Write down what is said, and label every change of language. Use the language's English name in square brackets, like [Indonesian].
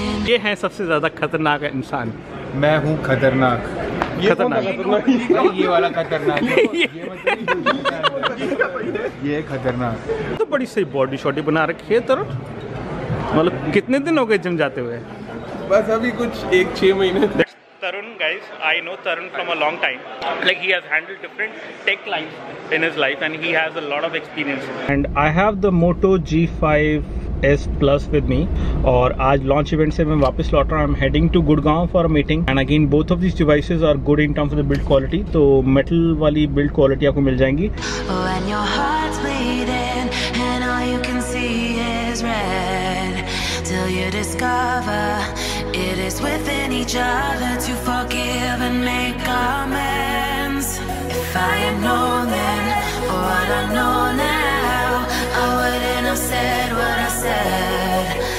[Hindi] ये हैं सबसे ज्यादा खतरनाक इंसान. मैं हूँ खतरनाक. ये खतरनाक तो बड़ी सही बॉडी शॉटी बना रखी है. तो मतलब कितने दिन हो गए जिम जाते हुए? बस अभी कुछ 1-6 महीने. [English] Tarun, guys, I know Tarun from a long time. Like, he has handled different tech lines in his life and he has a lot of experience. And I have the Moto G5 S Plus with me. [Hindi] और आज launch event से मैं वापस लौट रहा हूँ. [English] I'm heading to Gurgaon for a meeting. And again, both of these devices are good in terms of the build quality. [Hindi] तो metal वाली build quality आपको मिल जाएंगी. [English] When your heart's bleeding and all you can see is red, till you discover it is within each other to forgive and make amends. If I had known then what I know now, I wouldn't have said what I said.